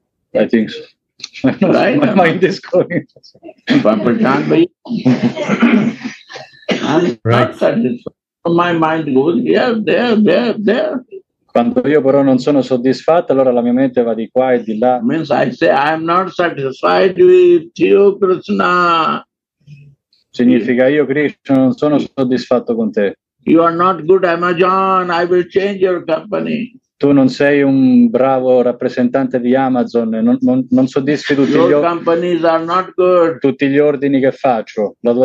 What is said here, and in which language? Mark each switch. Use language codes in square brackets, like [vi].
[en] I think so. My mind goes there. [it] Quando io però non sono soddisfatto, allora la mia mente va di qua e di là. [en] Means I say I am not satisfied with you, Krishna. [it] Significa io Krishna non sono soddisfatto con te. [en] You are not good Amazon. I will change your company. [it] Tu non sei un bravo rappresentante di Amazon, non soddisfi tutti gli ordini che faccio.